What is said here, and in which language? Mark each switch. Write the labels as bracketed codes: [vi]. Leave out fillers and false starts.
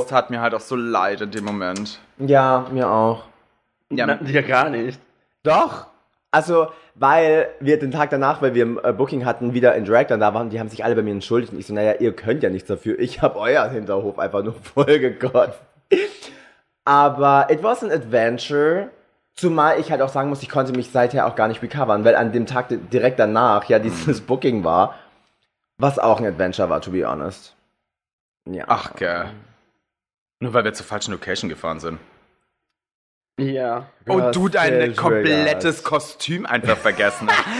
[de] es tat mir halt auch so leid in dem Moment. Ja, mir auch. Ja, dir gar nicht. Doch. Also, weil wir den Tag danach, weil wir im Booking hatten, wieder in Drag dann da waren, die haben sich alle bei mir entschuldigt. Und ich so, naja, ihr könnt ja nichts dafür. Ich hab euer Hinterhof einfach nur vollgekotzt. [en] Aber it was an adventure. [de] Zumal ich halt auch sagen muss, ich konnte mich seither auch gar nicht recovern, weil an dem Tag direkt danach ja dieses Booking war, was auch ein Adventure war, [en] to be honest. [de] Ja. Ach, gell. Nur weil wir zur falschen Location gefahren sind. Ja. Und du dein komplettes Kostüm einfach vergessen hast.